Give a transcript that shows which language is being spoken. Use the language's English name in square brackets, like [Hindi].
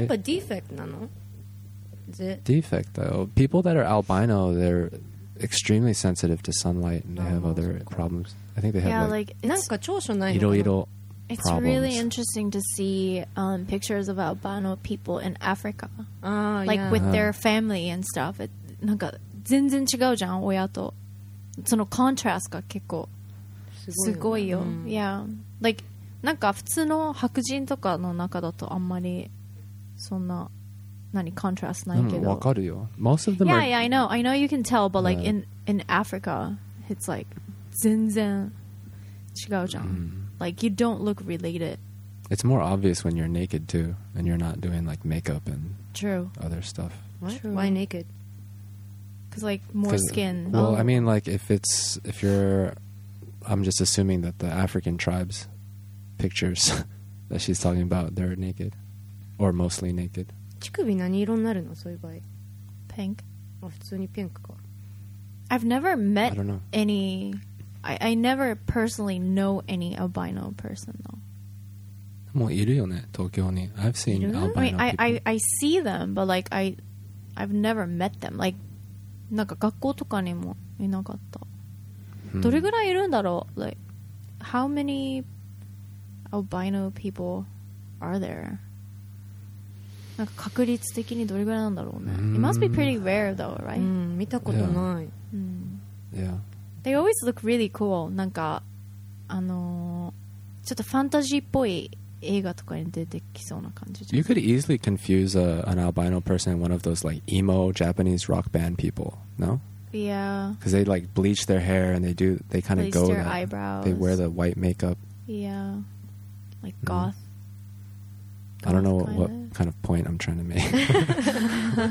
[English] Yeah, but defect, nano? Is it? Defect, though. People that are albino, they're extremely sensitive to sunlight and they have other problems. I think they have like It's、 problems. Really interesting to see、pictures of albino people in Africa. Like、 yeah. with their family and stuff. [Japanese] It, なんか全然違うじゃん、親と。そのコントラストが結構すごいよ。うん、 [English] yeah. [Japanese] Like, なんか普通の白人とかの中だとあんまりそんな何コントラストないけど。わかるよ。 [English] Most of them yeah, are... Yeah, yeah, I know you can tell, but like、yeah. in Africa, it's like [Japanese] 全然違うじゃん。 [English] Mm. Like, you don't look related. It's more obvious when you're naked, too. And you're not doing, like, makeup and True. other stuff. What? True. Why naked? Because, like, more skin. Well,、oh. I mean, like, if you're... I'm just assuming that the African tribes pictures that she's talking about, they're naked. Or mostly naked. [Japanese] 乳首何色になるのそういう場合? [English] Pink. [Japanese] 普通にピンクか。 [English] I've never met I don't know. any... I never personally know any albino person though. [Japanese] もういるよね、東京に。 [English] I've seen albino people. I see them, but like I've never met them. [Japanese] Like, なんか学校とかにもいなかった。どれぐらいいるんだろう? [English] Like, how many albino people are there? [Japanese] なんか確率的にどれぐらいなんだろうね。 [English] It must be pretty rare though, right? [Japanese] 見たことない。 [English] Yeah. They always look really cool. [Japanese] なんかちょっとファンタジーっぽい映画とかに出てきそうな感じ。 [English] You could easily confuse an albino person one of those like emo Japanese rock band people, no? Yeah. Because they like bleach their hair and they kind of go their that, eyebrows. They wear the white makeup. Yeah. Like goth.、Mm. I don't know what kind of point I'm trying to make.